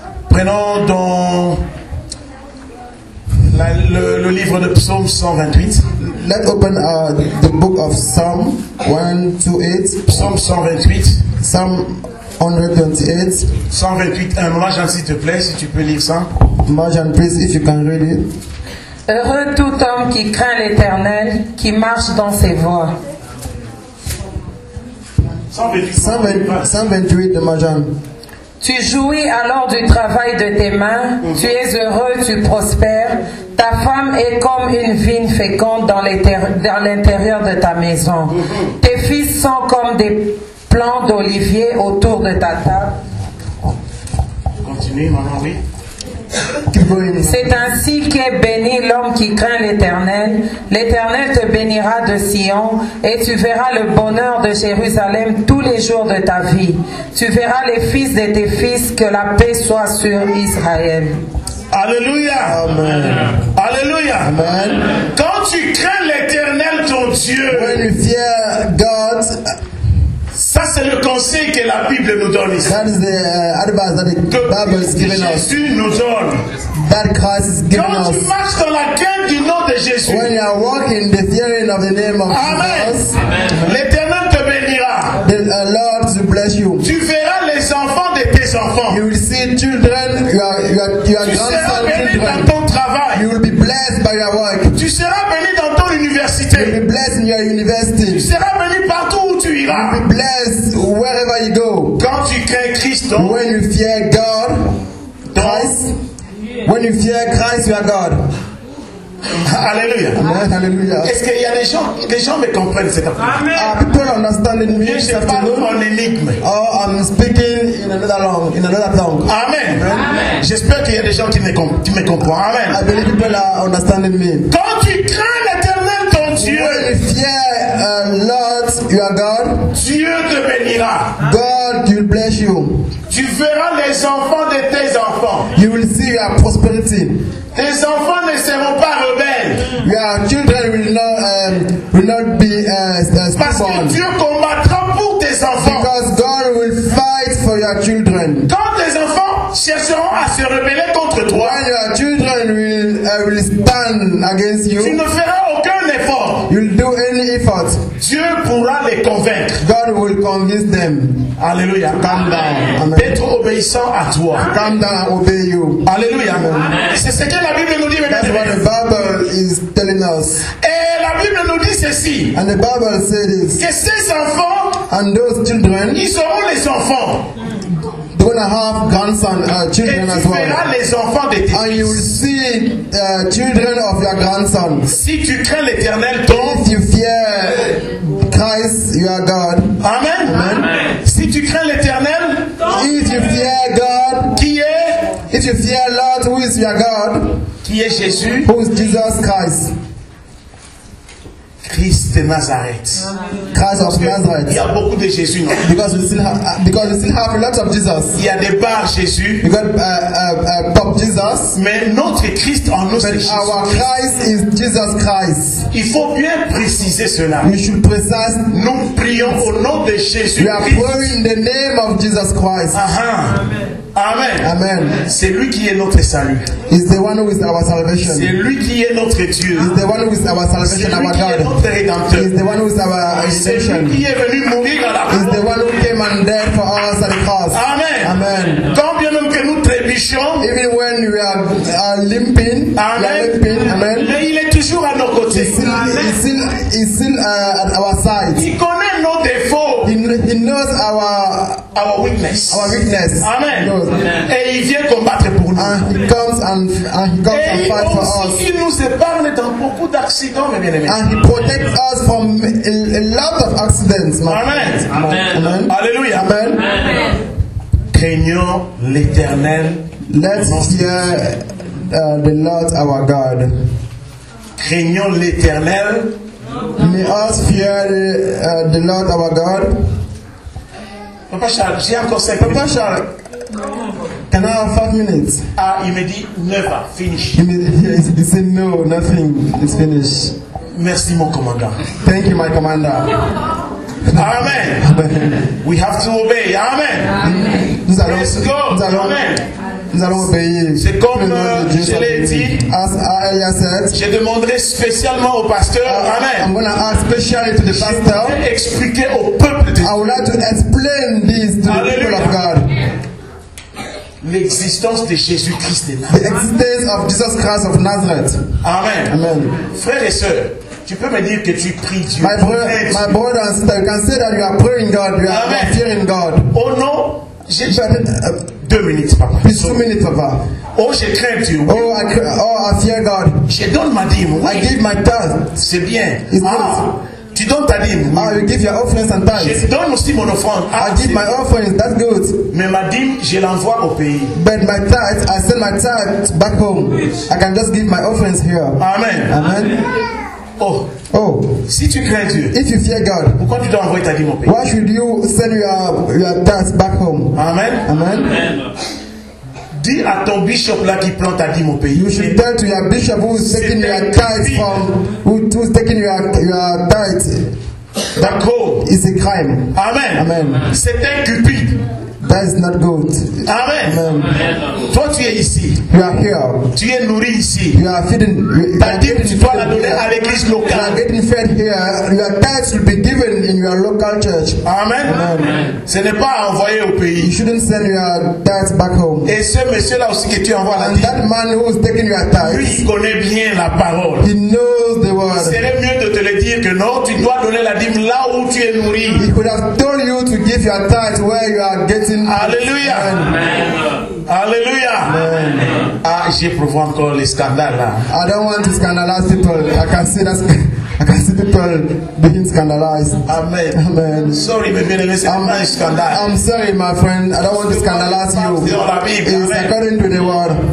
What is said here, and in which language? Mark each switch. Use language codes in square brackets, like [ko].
[fr] Prenons dans le livre de Psaume 128. [en] Let open the book of Psalm 128. [fr] Psaume 128. [en] Psalm 128. 128. [fr] Un moment, s'il te plaît, si tu peux lire ça. [en] Majan, please, if you can read it. [fr] Heureux tout homme qui craint l'Éternel, qui marche dans ses voies. 128 de Majan. Tu jouis alors du travail de tes mains, mm-hmm. Tu es heureux, tu prospères, ta femme est comme une vigne féconde dans l'intérieur de ta maison. Mm-hmm. Tes fils sont comme des plants d'olivier autour de ta table. Continue, maman, oui. C'est ainsi qu'est béni l'homme qui craint l'Éternel. L'Éternel te bénira de Sion et tu verras le bonheur de Jérusalem tous les jours de ta vie. Tu verras les fils de tes fils, que la paix soit sur Israël. Alléluia. Amen. Alléluia. Amen. Quand tu crains l'Éternel ton Dieu, [en] when you fear God, [fr] ça c'est le conseil que la Bible nous donne ici. [en] That is the advice that the Bible is giving [fr] Jésus [en] us. [fr] Jésus nous donne. [en] That Christ is giving [fr] quand [en] us. [fr] Quand tu marches dans la crainte du nom de Jésus. [en] When you are walking the fearing of the name of Jesus. [fr] Amen. L'Éternel te bénira. [en] The Lord will bless you. [fr] Tu verras les enfants de tes enfants. [en] You will see children. You are [fr] tu seras béni dans ton travail. [en] You will be blessed by your work. [fr] Tu seras béni dans ton université. [en] You will be blessed in your university. [fr] Tu seras béni partout. You'll [en] be blessed wherever you go. [fr] Quand tu crains Christ, [en] when you fear God, Christ, when you fear Christ, you are God. Hallelujah. Hallelujah. [fr] Est-ce qu'il y a des gens me comprennent cet après-midi? [en] People understand in me. [fr] Je parle en énigme. [en] Oh, I'm speaking in another language. Amen. Amen. [fr] J'espère qu'il y a des gens qui me comprennent. Amen. [en] I believe people are understanding me. [fr] Quand tu crains l'Éternel ton Dieu, [en] when you fear Lord, you are God. [fr] Dieu te bénira. [en] God will bless you. [fr] Tu verras les enfants de tes enfants. [en] You will see your prosperity. [fr] Tes enfants ne seront pas rebelles. [en] Your children will not be stubborn. [fr] Parce que Dieu combattra pour tes enfants. [en] Because God will fight for your children. [fr] Quand tes enfants chercheront à se rebeller contre toi, [en] when your children will stand against you, [fr] tu ne feras aucun effort. [en] You'll do any effort. [fr] Dieu pourra les convaincre. [en] God will convince them. Alléluia. Calm down. Amen. [fr] Être obéissant à toi. [en] Calm down, obey you. [fr] Alléluia. Amen. C'est ce que la Bible nous dit. [en] That's what the Bible is telling us. [fr] Et la Bible nous dit ceci. [en] And the Bible says this. [fr] Que ces enfants, [en] and those children, [fr] ils seront les enfants. [en] Gonna have grandson, children as well. [fr] Les enfants de tes [en] and you will see the children of your grandson. [fr] Si tu crains l'Éternel, ton [en] if you fear Christ, you are God. Amen. Amen. [fr] Si tu crains l'Éternel, [en] if you fear God, [fr] qui est? [en] If you fear Lord, who is your God? [fr] Qui est Jésus? [en] Who is Jesus Christ? [fr] Christ de Nazareth. [en] Christ of Nazareth. [fr] Il y a beaucoup de Jésus. [en] Because we still have a lot of Jesus. [fr] Il y a des bars Jésus. [en] We got Pop Jesus. [fr] Mais notre Christ en nous, [en] but [fr] c'est [en] our Jesus. Christ is Jesus Christ. [fr] Il faut bien préciser cela. [en] We should precise. [fr] Nous prions au nom de Jésus. [en] We are praying in the name of Jesus Christ. Amen. Amen. Amen. [fr] C'est lui qui est notre salut. [en] He's the one who is our salvation. C'est lui qui est notre Dieu. He's the one who is our salvation, our God. He's the one who is our salvation. [fr] Qui est venu mourir à la croix. [en] He's the one who came and died for us at the cross. Amen. Amen. [fr] Quand bien même que nous trébuchons, [en] even when we are limping, Amen. [fr] Mais il est toujours à nos côtés. [en] He's still at our side. [fr] Il connaît nos défauts. [en] He knows our weakness. Amen. Amen. [fr] Et il vient combattre pour nous. [en] And he comes and fight for us. [fr] Il nous épargne dans beaucoup d'accidents, mes bien-aimés. [en] And he protects us from a lot of accidents. Amen. Amen. Amen. Alléluia. Amen. [fr] Craignons l'Éternel. [en] Let's hear the Lord our God. [fr] Craignons l'Éternel. [en] May us fear the Lord our God. [fr] Papa Charles, j'ai encore 5 minutes. [en] Papa Charles, can I have 5 minutes? [fr] Ah, il me dit, [en] never, finish. He said, no, nothing, it's finished. [fr] Merci, mon commandant. [en] Thank you, my commander. Amen. We have to obey. Amen. [fr] Nous allons, [en] let's go. Amen. [fr] Nous allons obéir. C'est comme je l'ai dit. [en] As Elias said, [fr] je demanderai spécialement au pasteur. Amen. [en] I'm gonna ask specially to the pastor. [fr] Je vais expliquer au peuple de Dieu. [en] I would like to explain this to the people of God. [fr] L'existence de Jésus Christ de Nazareth. [en] The existence of Jesus Christ of Nazareth. Amen. Amen. [fr] Frères et sœurs, tu peux me dire que tu pries Dieu. [en] My brother and sister, you can say that you are praying God. You are fearing God. [fr] Oh non. J'ai 2 minutes, papa. [en] It's 2 minutes, papa. [fr] Oh, je crains Dieu. Oui. [en] I fear God. [fr] Je donne ma dîme. Oui. [en] I give my tithe. [fr] C'est bien. [en] It's [fr] tu donnes ta dîme. Oui. [en] You give your offerings and tithes. [fr] Je donne aussi mon offrande. [en] I give my offerings. That's good. [fr] Mais ma dîme, je l'envoie au pays. [en] But my tithe, I send my tithe back home. [fr] Oui. [en] I can just give my offerings here. Amen. Amen. [fr] Oh, si tu crains Dieu, [en] if you fear God, [fr] pourquoi tu dois envoyer ta dîme au pays? [en] Why should you send your tithes back home? Amen. Amen. [fr] Dis à ton bishop là qui plante ta dîme au pays. [en] You should tell to your bishop who is taking your tithes from, who's taking your tithes. [fr] D'accord. [en] It's a crime. Amen. Amen. [fr] C'est un cupide. [en] That is not good. Amen. Amen. [fr] Toi, tu es ici. [en] You are here. [fr] Tu es nourri ici. [en] You are feeding. [fr] Ta dîme, tu dois la donner à l'église locale. [en] You are getting fed here. Your tithes will be given in your local church. Amen. Amen. [fr] Ce n'est pas envoyé au pays. [en] You shouldn't send your tithes back home. [fr] Et ce monsieur là aussi que tu envoies. [en] And that man who is taking your tithes. [fr] Lui, il connaît bien la parole. [en] He knows the word. [fr] Il serait mieux de te le dire que non, tu dois donner la dîme là où tu es nourri. [en] He could have told you to give your tithes where you are getting. [fr] Alléluia. Alléluia. Ah, je prévois encore les scandales là. [en] I don't want to scandalize people. I can see people being scandalized. Amen. Amen. Sorry, my friend. I'm sorry, my friend. I don't want to scandalize you. It's according to the word.